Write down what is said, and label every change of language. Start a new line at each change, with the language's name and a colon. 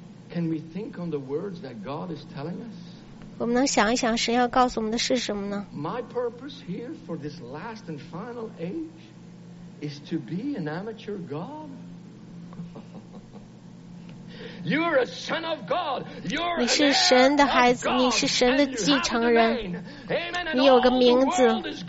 English: Can we think on the words that God is telling us?
Chinese: 我们能想一想神要告诉我们的是什么呢？
English: My purpose here for this last and final age is to be an amateur God. You're a son of God. You're
Chinese: 你是神的孩子，你是神的继承人。你有个名字。